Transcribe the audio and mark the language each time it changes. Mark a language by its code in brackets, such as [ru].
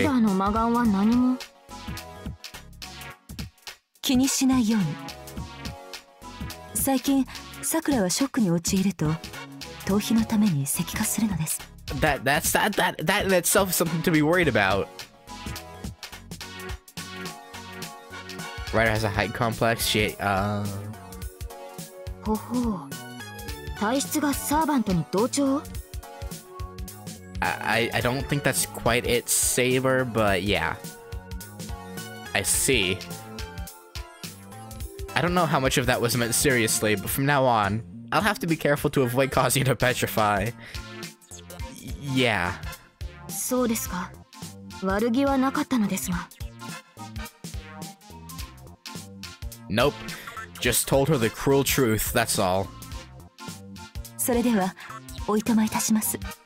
[ja] ライダーの魔眼は何も。気にしないように。最近、Sakura はショックに陥ると、逃避のために石化するのです。 [en] That in itself is something to be worried about. Ryder has a height complex. Hoho. [ja] 体質がサーヴァントに同調? [en] I don't think that's quite it, Saber, but yeah. I see. I don't know how much of that was meant seriously, but from now on, I'll have to be careful to avoid causing her to petrify. Yeah. [ja] そうですか。悪気はなかったのですが。 [en] Nope. Just told her the cruel truth, that's all. [ja] それでは、おいとまいたします。